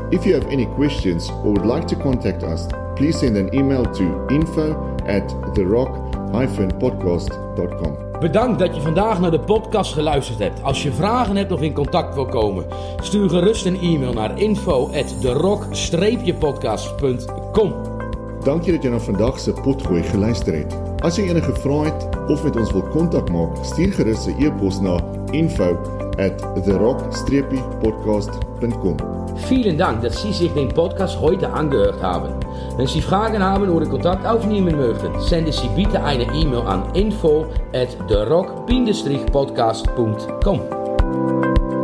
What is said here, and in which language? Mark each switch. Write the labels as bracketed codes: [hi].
[en] If you have any questions or would like to contact us, please send an email to info@therock-podcast.com. [nl] Bedankt dat je vandaag naar de podcast geluisterd hebt. Als je vragen hebt of in contact wil komen, stuur gerust een e-mail naar info@derok-podcast.com. [af] Dank je dat je naar vandaag se potgooi geluister het. As jy enige vrae het of met ons wil kontak maak, stuur gerus 'n e-pos na info@therock-podcast.com. [de] Vielen Dank, dass Sie sich den Podcast heute angehört haben. Wenn Sie Fragen haben oder Kontakt aufnehmen möchten, senden Sie bitte eine E-Mail an info@therock-podcast.com.